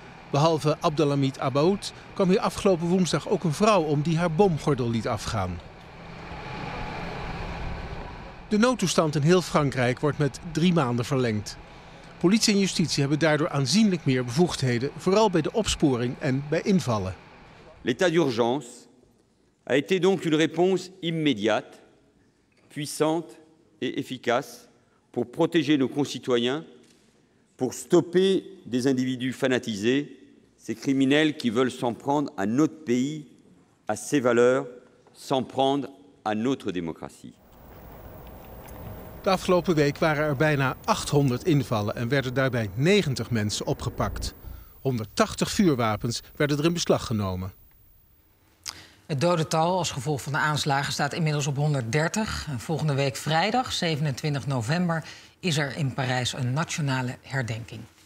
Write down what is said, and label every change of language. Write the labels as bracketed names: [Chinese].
[Dutch] Behalve Abdelhamid Abaoud kwam hier afgelopen woensdag ook een vrouw om die haar bomgordel liet afgaan. De noodtoestand in heel Frankrijk wordt met 3 maanden verlengd. Politie en justitie hebben daardoor aanzienlijk meer bevoegdheden, vooral bij de opsporing en bij invallen. [French] L'état d'urgence a été donc une réponse immédiate, puissante et efficace pour protéger nos concitoyens, pour stopper des individus fanatisés, ces criminels qui veulent s'en prendre à notre pays, à ses valeurs, s'en prendre à notre démocratie. [Dutch] De afgelopen week waren er bijna 800 invallen en werden daarbij 90 mensen opgepakt. 180 vuurwapens werden er in beslag genomen. Het dodental als gevolg van de aanslagen staat inmiddels op 130. En volgende week vrijdag, 27 november, is er in Parijs een nationale herdenking.